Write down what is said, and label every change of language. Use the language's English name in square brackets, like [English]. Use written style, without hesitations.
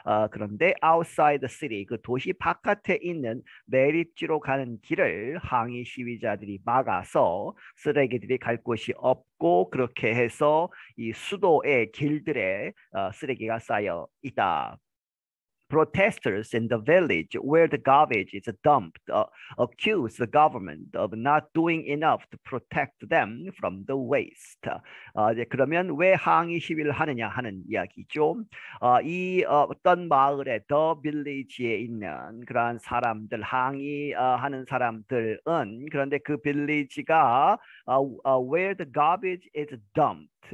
[Korean] 그런데 outside the city, 그 도시 바깥에 있는 매립지로 가는 길을 항의 시위자들이 막아서 쓰레기들이 갈 곳이 없고, 그렇게 해서 이 수도의 길들에 쓰레기가 쌓여 있다. [English] Protesters in the village where the garbage is dumped accuse the government of not doing enough to protect them from the waste. [Korean] 그러면 왜 항의 시위를 하느냐 하는 이야기죠. 어떤 마을에 the village에 있는 그러한 사람들 항의하는 사람들은 그런데 그 village가 where the garbage is dumped.